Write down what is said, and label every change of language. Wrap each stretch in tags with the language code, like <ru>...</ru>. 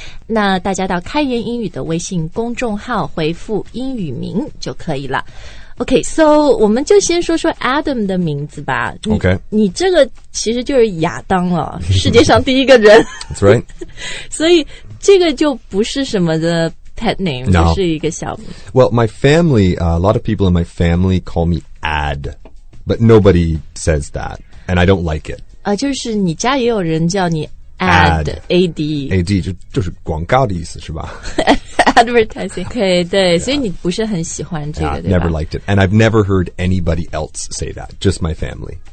<zh>那大家到开言英语的微信公众号回复英语名就可以了。</zh> <en>Okay, so</en> <zh>我们就先说说 Adam 的名字吧。</zh> <en>Okay，</en> <zh>你这个其实就是亚当了，世界上第一个人。</zh> <en>That's right 。</en> <zh>所以这个就不是什么的。</zh> <en>Pet name, no.</en> <zh>就是一个小名。</zh> <en>Well, my family,、a lot of people in my family call me Ad, but nobody says that, and I don't like it.、</en> <zh>就是你家也有人叫你 Ad,</zh> <en>A-D.</en> <zh>A-D, 就是广告的意思是吧</zh> <en>Advertising, okay,</en> <zh>对、</zh> <en>yeah.</en> <zh>所以你不是很喜欢这个</zh> <en>yeah,</en> <zh>对吧</zh> <en>never liked it, and I've never heard anybody else say that, just my family.</en>